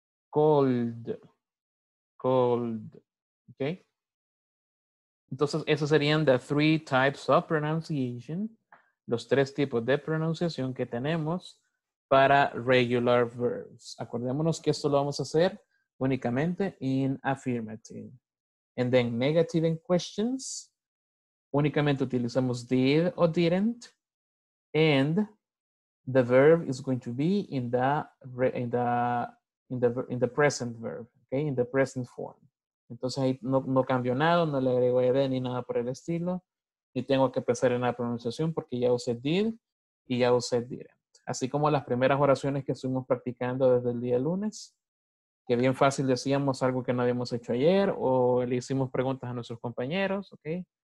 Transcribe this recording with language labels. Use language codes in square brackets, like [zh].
[en] Cold, cold, okay? [es] Entonces, esos serían [en] the three types of pronunciation, [es] los tres tipos de pronunciación que tenemos para [en] regular verbs. [es] Acordémonos que esto lo vamos a hacer únicamente [en] in affirmative. And then negative in questions, [es] únicamente utilizamos did o didn't, [en] and the verb is going to be in the present verb, okay? In the present form. [es] Entonces ahí no cambio nada, no le agrego ed ni nada por el estilo. Y tengo que pensar en la pronunciación porque ya usé did y ya usé didn't. Así como las primeras oraciones que estuvimos practicando desde el día lunes, que bien fácil decíamos algo que no habíamos hecho ayer o le hicimos preguntas a nuestros compañeros, okay?